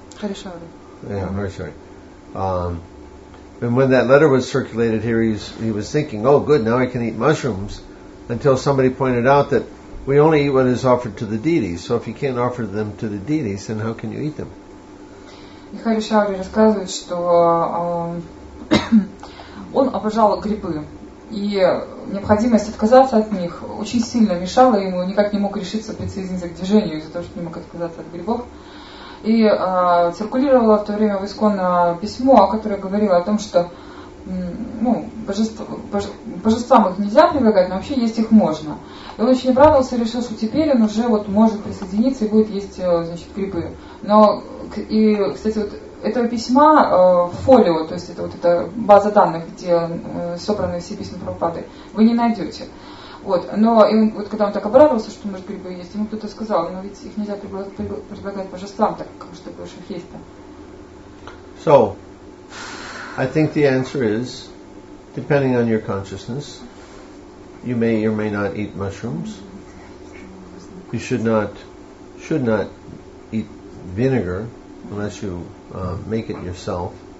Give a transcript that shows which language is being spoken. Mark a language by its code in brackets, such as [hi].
[en] Yeah, I'm very sorry. And when that letter was circulated here, he was thinking, oh good, now I can eat mushrooms, until somebody pointed out that we only eat what is offered to the deities. So if you can't offer them to the deities, then how can you eat them? [ru] И Хари Шаури рассказывает, что он обожал грибы, и необходимость отказаться от них очень сильно мешала ему, никак не мог решиться присоединиться к движению из-за того, что не мог отказаться от грибов. И циркулировало в то время в Исконно письмо, которое говорило о том, что божествам их нельзя прибегать, но вообще есть их можно. И он очень обрадовался и решил, что теперь он уже вот может присоединиться и будет есть грибы. Но, и, кстати, вот этого письма в фолио, то есть это вот эта база данных, где собраны все письма Прабхупады, вы не найдете. Вот, но и он, вот когда он так обрадовался, что может грибы есть, ему кто-то сказал, но ведь их нельзя предлагать божествам, так как что больше их есть-то. [en] So, I think the answer is, depending on your consciousness, you may or may not eat mushrooms. You should not eat vinegar unless you make it yourself.